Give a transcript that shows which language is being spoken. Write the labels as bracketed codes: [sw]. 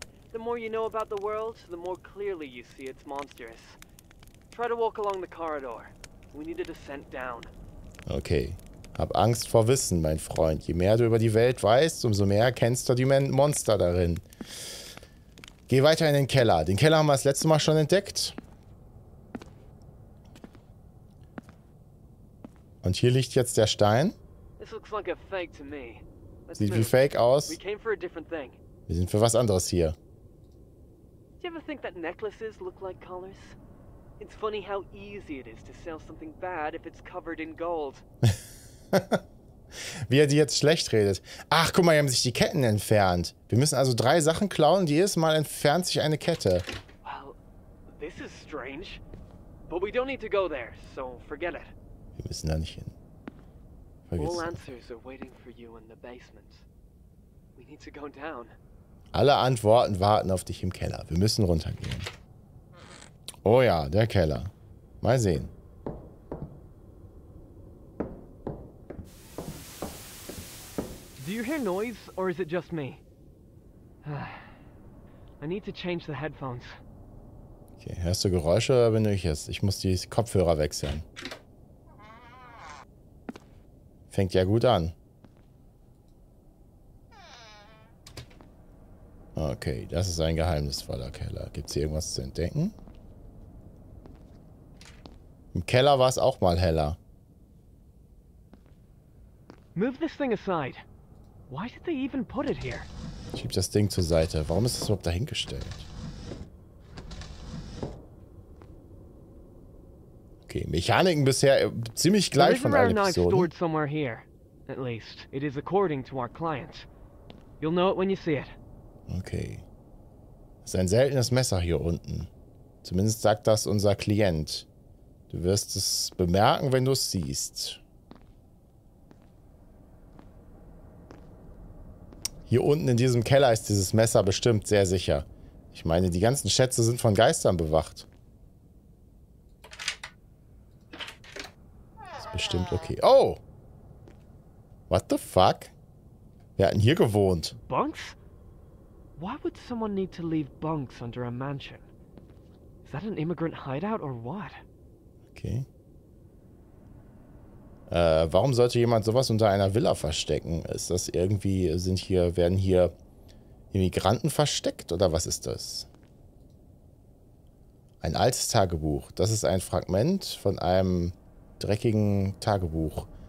[en] The more you know about the world, the more clearly you see it's monstrous. Try to walk along the corridor. We need a descent down. Okay. [de] Hab Angst vor Wissen, mein Freund. Je mehr du über die Welt weißt, umso mehr erkennst du die Monster darin. Geh weiter in den Keller. Den Keller haben wir das letzte Mal schon entdeckt. Und hier liegt jetzt der Stein. [en] This looks like a fake to me. [de] Sieht wie fake aus. [en] We came for a different thing. [de] Wir sind für was anderes hier. [en] Do you ever think that necklaces look like collars? It's funny how easy it is to sell something bad if it's covered in gold. [de] Wie er die jetzt schlecht redet. Ach, guck mal, die haben sich die Ketten entfernt. Wir müssen also 3 Sachen klauen, die jedes Mal entfernt sich eine Kette. [en] Well, this is strange. But we don't need to go there, so forget it. [de] Wir müssen da nicht hin. Vergiss. [en] All answers are waiting for you in the basement. We need to go down. [de] Alle Antworten warten auf dich im Keller. Wir müssen runtergehen. Oh ja, der Keller. Mal sehen. [en] Do you hear noise or is it just me? I need to change the headphones. [de] Okay, hörst du Geräusche oder bin ich es? Ich muss die Kopfhörer wechseln. Fängt ja gut an. Okay, das ist ein geheimnisvoller Keller. Gibt es hier irgendwas zu entdecken? Im Keller war es auch mal heller. [en] Move this thing aside. Why did they even put it here? Schieb das Ding zur Seite. Warum ist das überhaupt dahingestellt? [de] Okay, Mechaniken bisher ziemlich gleich von allen Episoden. [en] Knife stored somewhere here. At least it is according to our client. You'll know it when you see it. Okay. [de] Es ist ein seltenes Messer hier unten. Zumindest sagt das unser Klient. Du wirst es bemerken, wenn du es siehst. Hier unten in diesem Keller ist dieses Messer bestimmt sehr sicher. Ich meine, die ganzen Schätze sind von Geistern bewacht. Das ist bestimmt okay. Oh! [en] What the fuck? [de] Wir hatten hier gewohnt. [en] Bunks? Why would someone need to leave bunks under a mansion? Is that an immigrant hideout or what? Okay. [de] Warum sollte jemand sowas unter einer Villa verstecken? Ist das irgendwie, werden hier Immigranten versteckt oder was ist das? Ein altes Tagebuch. Das ist ein Fragment von einem dreckigen Tagebuch.